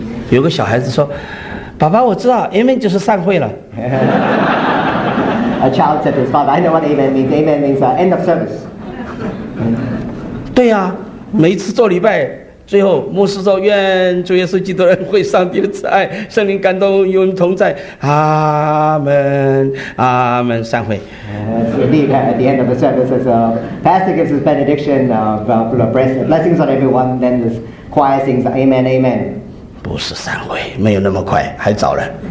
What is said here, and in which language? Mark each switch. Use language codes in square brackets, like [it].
[zh] 有个小孩子说爸爸我知道 Amen 就是散会了 [en] A child said to his father I know what Amen means. Amen means end of service. [zh] 对啊每次做礼拜最后牧师说愿主耶稣基督恩惠上帝的慈爱圣灵感动与我们同在阿们阿们散会 [en] indeed at the end of the service as a pastor gives his benediction blessings on everyone then the choir sings amen amen [zh] 不是散会没有那么快还早了